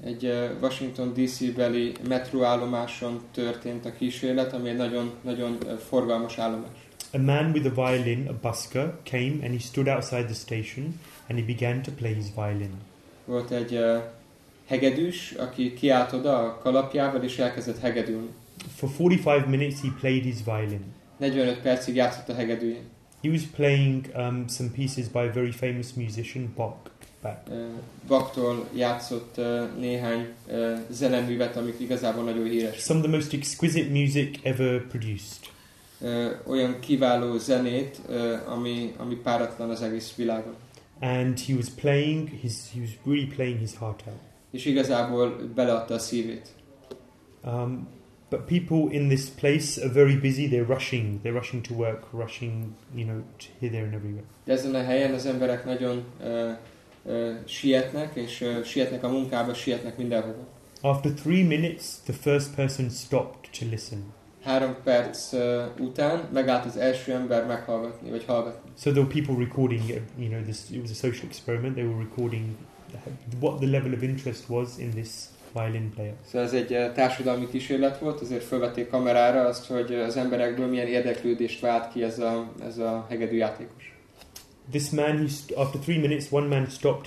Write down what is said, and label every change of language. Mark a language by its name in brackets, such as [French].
[Hungarian] Egy Washington D.C.-beli metroállomáson történt a kísérlet, ami egy nagyon forgalmas állomás. [English] A man with a violin, a busker, came and he stood outside the station and he began to play his violin. [Hungarian] Volt egy hegedűs, aki kiállt oda a kalapjával és elkezdett hegedülni. [English] For 45 minutes he played his violin. [Hungarian] 45 percig játszott a hegedűjén. [English] He was playing some pieces by a very famous musician, Bach. [Hungarian] Bachtól játszott néhány zeneművet, amik igazából nagyon híres. [English] Some of the most exquisite music ever produced. [Hungarian] Olyan kiváló zenét, ami páratlan az egész világon. [English] And he was playing his heart out. [Hungarian] és igazából beleadta a szívét. [English] But people in this place are very busy. They're rushing to work, rushing, you know, hither and everywhere. [Hungarian] De ezen a helyen az emberek nagyon sietnek, és sietnek a munkába, sietnek mindenhova. [English] After 3 minutes, the first person stopped to listen. [Hungarian] 3 perc után megállt az első ember meghallgatni, vagy hallgatni. [English] So there were people recording, you know, this, it was a social experiment. They were recording what the level of interest was in this violin player. [Hungarian] So ez egy társadalmi kísérlet volt, azért felvették kamerára azt, hogy az emberekből milyen érdeklődést vált ki ez a hegedű játékos. [English] This man, after 3 minutes, one man stopped.